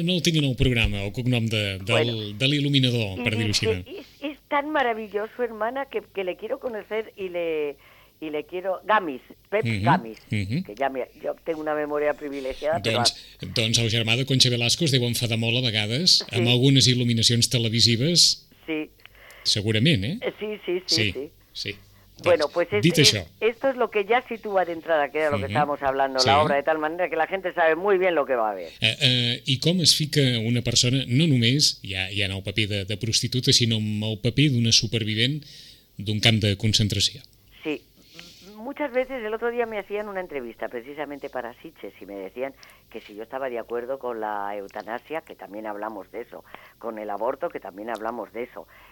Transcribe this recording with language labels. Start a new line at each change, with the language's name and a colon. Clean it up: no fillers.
Spanish: No lo tengo en el programa,
Catalan: el cognom de l'il·luminador, per dir-ho així.
Spanish: Es tan maravilloso, hermana, que le quiero conocer y le quiero... Gamis, Pep Gamis, que ya yo tengo una memoria privilegiada.
Catalan: Doncs el germà de Conxa Velasco es deu enfadar molt a vegades, amb algunes il·luminacions televisives.
Spanish: Sí.
Catalan: Segurament,
Spanish: Sí. Bueno, pues esto es lo que ya sitúa de entrada, que era lo que estábamos hablando, la obra, de tal manera que la gente sabe muy bien lo que va a ver.
Catalan: I com es fica una persona, no només ja en el paper de prostituta, sinó en el paper d'una supervivent d'un camp de concentració?
Spanish: Sí. Muchas veces, el otro día me hacían una entrevista precisamente para Sitges y me decían que si yo estaba de acuerdo con la eutanasia, que también hablamos de eso, con el aborto, que también hablamos de eso.